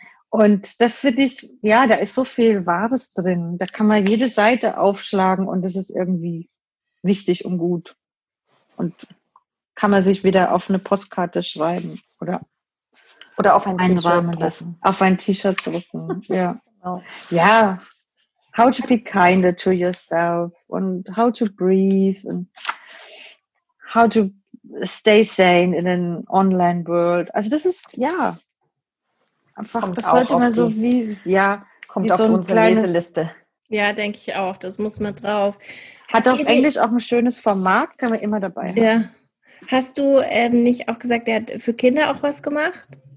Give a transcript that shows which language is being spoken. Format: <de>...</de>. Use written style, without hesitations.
<de>Und das finde ich, ja, da ist so viel Wahres drin. Da kann man jede Seite aufschlagen und das ist irgendwie wichtig und gut. Und kann man sich wieder auf eine Postkarte schreiben oder auf ein T-Shirt drucken. Auf ein T-Shirt drucken, ja.</de> <en>Ja, how to be kinder to yourself and how to breathe and how to stay sane in an online world.</en> <de>Also das ist, ja, einfach, kommt, das sollte man so wie, ja, kommt wie auf so unsere kleines, Leseliste. Ja, denke ich auch, das muss man drauf. Hat auf Englisch auch ein schönes Format, kann man immer dabei haben. Ja. Hast du nicht auch gesagt, der hat für Kinder auch was gemacht?</de>